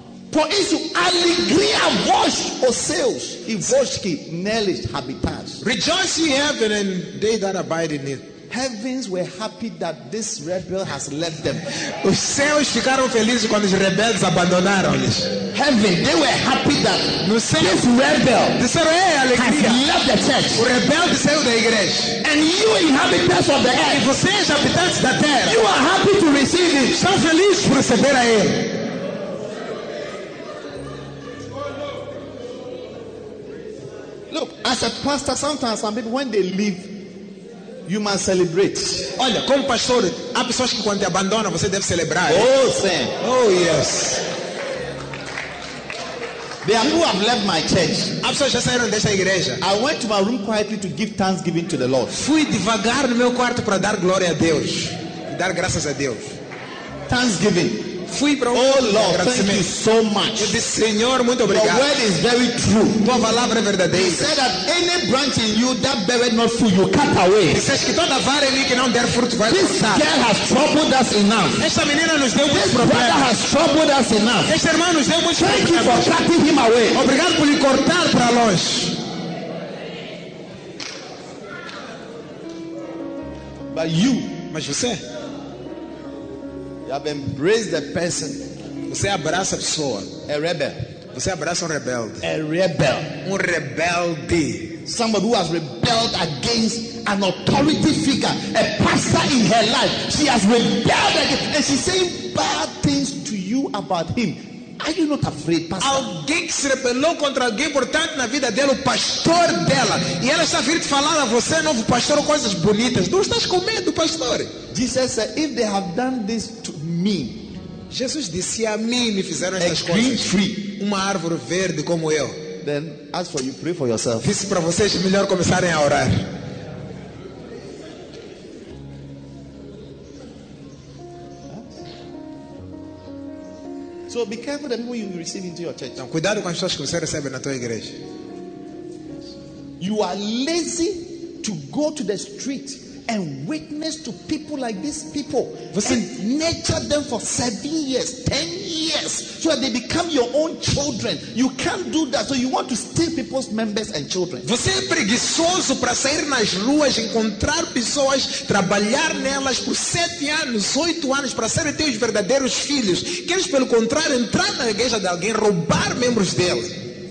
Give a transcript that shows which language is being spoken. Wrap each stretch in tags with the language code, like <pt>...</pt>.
<pt>Por isso, alegria vós, os céus, e vós que neles habitais.</pt> <en>Rejoice ye heaven and they that abide in it. Heavens were happy that this rebel has left them.</en> <pt>Os céus ficaram felizes quando os rebeldes abandonaram-lhes.</pt> <en>Heaven, they were happy that</en> <pt>no céu,</pt> <en>this rebel</en> <pt>disseram, hey, alegria,</pt> <en>has left the church.</en> <pt>O rebelde saiu da igreja.</pt> <en>And you inhabitants of the earth,</en> <pt>e vocês habitantes da terra,</pt> <en>you are happy to receive it.</en> <pt>Estão felizes por receber a ele.</pt> <en>Look, as a pastor, sometimes some people when they leave, you must celebrate.</en> <pt>Olha, como pastor, há pessoas que quando te abandonam, você deve celebrar. Oh, sim.</pt> <en>Oh, yes. They are who have left my church.</en> <pt>Há pessoas que já saíram dessa igreja.</pt> <en>I went to my room quietly to give thanksgiving to the Lord.</en> <pt>Fui devagar no meu quarto para dar glória a Deus, e dar graças a Deus.</pt> <en>Thanksgiving.</en> <pt>Fui para</pt> <en>o Lord, thank you so much.</en> <pt>Eu disse, Senhor, muito obrigado.</pt> <en>Your word is very true.</en> <pt>Tua palavra é verdadeira.</pt> <en>He said that any branch in you that beareth not fruit, you cut away.</en> <pt>Disseste que toda vara em mim que não der fruto vai cortar.</pt> <en>This girl has troubled us enough.</en> <pt>Esta menina nos deu muitos problemas.</pt> <en>This brother has troubled us enough.</en> <pt>Este irmão nos deu muitos problemas.</pt> <en>Thank you for cutting him away.</en> <pt>Obrigado por lhe cortar para longe.</pt> <en>But you,</en> <pt>mas você.</pt> <en>You have embraced the person.</en> <pt>Você abraça a pessoa.</pt> <en>A rebel.</en> <pt>Você abraça um rebelde.</pt> <en>A rebel.</en> <pt>Um rebelde.</pt> <en>Somebody who has rebelled against an authority figure, a pastor in her life. She has rebelled against, and she's saying bad things to you about him. Are you not afraid, pastor?</en> <pt>Alguém que se rebelou contra alguém importante na vida dela, o pastor dela, e ela está vindo falar a você, novo pastor, coisas bonitas. Não estás com medo, pastor?</pt> <en>Jesus said, if they have done this to me,</en> <pt>Jesus disse, a mim me fizeram estas</pt> <en>a green</en> <pt>coisas,</pt> <en>tree,</en> <pt>uma árvore verde como eu,</pt> <en>then as for you, pray for yourself.</en> <pt>Disse para vocês melhor começarem a orar.</pt> <en>So be careful the people you receive into your church.</en> <pt>Então, cuidado com as pessoas que você recebe na tua igreja.</pt> <en>You are lazy to go. go to the street and witness to people like these people.</en> <pt>Você</pt> <en>and nurture them for 7 years, 10 years, so that they become your own children. You can't do that. So you want to steal people's members and children.</en> <pt>Você é preguiçoso para sair nas ruas, encontrar pessoas, trabalhar nelas por 7 anos, 8 anos, para serem teus verdadeiros filhos. Queres, pelo contrário, entrar na igreja de alguém, roubar membros dela.</pt>